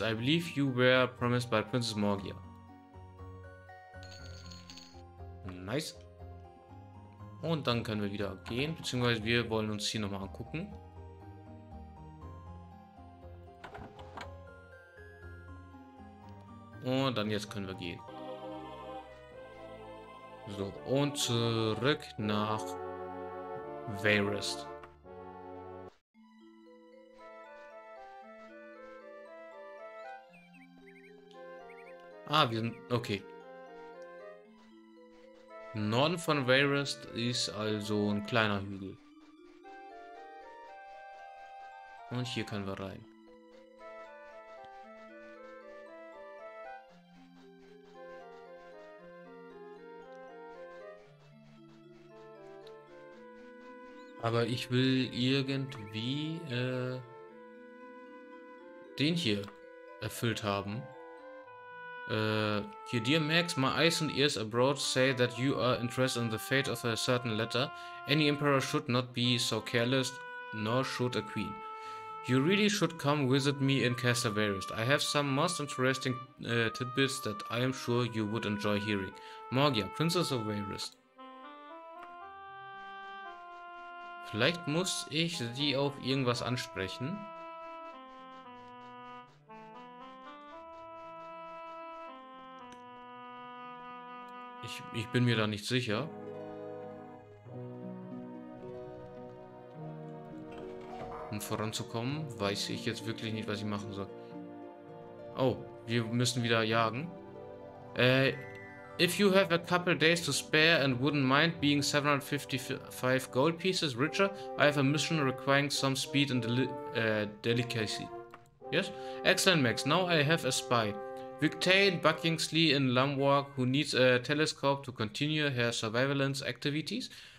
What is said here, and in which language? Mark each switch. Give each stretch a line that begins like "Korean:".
English: I believe you were promised by Princess Morgia. Nice.
German: Und dann können wir wieder gehen, beziehungsweise wir wollen uns hier nochmal angucken. Und dann jetzt können wir gehen. So, und zurück nach Verest. Ah, wir sind. Okay. Norden von Verest ist also ein kleiner Hügel. Und hier können wir rein. Aber ich will irgendwie den hier erfüllt haben.
English: Hier, dear Max, my eyes and ears abroad say that you are interested in the fate of a certain letter. Any emperor should not be so careless, nor should a queen. You really should come visit me in Castle Verest. I have some most interesting tidbits that I am sure you would enjoy hearing. Morgia, Princess of Verest.
German: Vielleicht muss ich sie auf irgendwas ansprechen. Ich bin mir da nicht sicher. Um voranzukommen, weiß ich jetzt wirklich nicht, was ich machen soll. Oh, wir müssen wieder jagen.
English: If you have a couple days to spare and wouldn't mind being 755 gold pieces richer, I have a mission requiring some speed and delicacy. Yes? Excellent, Max. Now I have a spy. Victane Buckingsley in Lumwark, who needs a telescope to continue her surveillance activities.